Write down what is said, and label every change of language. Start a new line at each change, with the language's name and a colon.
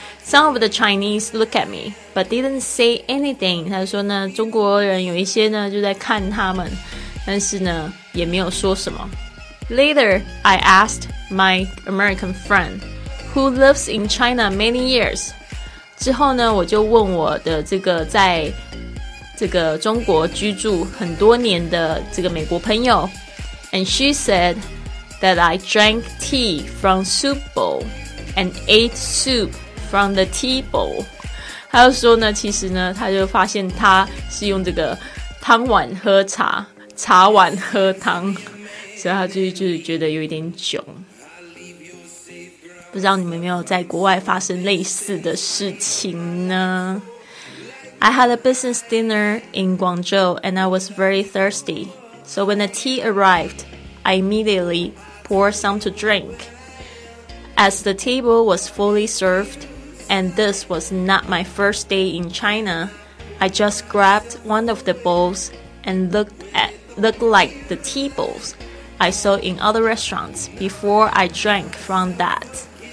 English: Some of the Chinese look at me, but didn't say anything.
Chinese: 他说呢，中国人有一些呢就在看他们，但是呢也没有说什么。
English: Later, I asked my American friend, who lives in China many years.
Chinese: 之后呢，我就问我的这个在这个中国居住很多年的这个美国朋友，
English: and she said that I drank tea from soup bowl and ate soup from the tea bowl.
Chinese: 他就说呢，其实呢，他就发现他是用这个汤碗喝茶，茶碗喝汤，所以他就觉得有一点窘。不知道你们有没有在国外发生类似的事情呢？
English: I had a business dinner in Guangzhou and I was very thirsty. So when the tea arrived, I immediately poured some to drink. As the table was fully served and this was not my first day in China, I just grabbed one of the bowls and looked like the tea bowls I saw in other restaurants before I drank from that.